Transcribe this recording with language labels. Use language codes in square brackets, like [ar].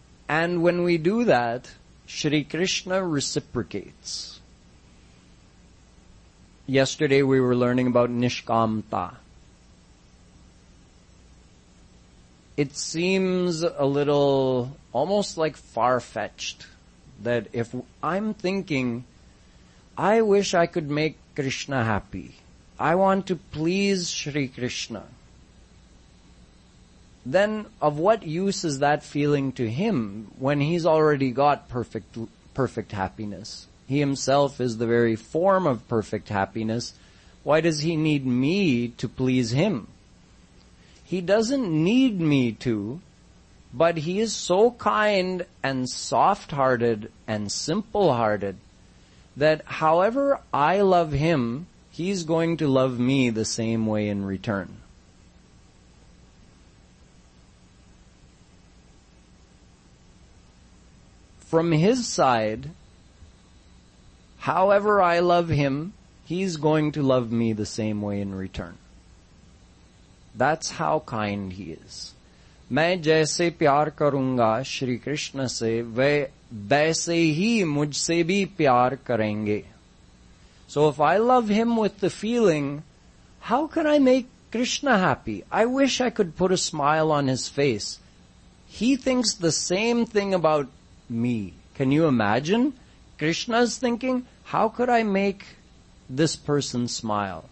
[en] And when we do that, Shri Krishna reciprocates. Yesterday we were learning about निष्कामता। It seems a little, almost like far-fetched, that if I'm thinking, I wish I could make Krishna happy, I want to please Shri Krishna, then of what use is that feeling to him when he's already got perfect happiness? He himself is the very form of perfect happiness. Why does he need me to please him? He doesn't need me to, but he is so kind and soft-hearted and simple-hearted that however I love him, he's going to love me the same way in return. From his side, however I love him, he's going to love me the same way in return. That's how kind he is. [hi] मैं जैसे प्यार करूंगा श्री कृष्ण से, वे वैसे ही मुझसे भी प्यार करेंगे. [en] So if I love him with the feeling, how can I make Krishna happy? I wish I could put a smile on his face. He thinks the same thing about me. Can you imagine? Krishna's thinking, how could I make this person smile?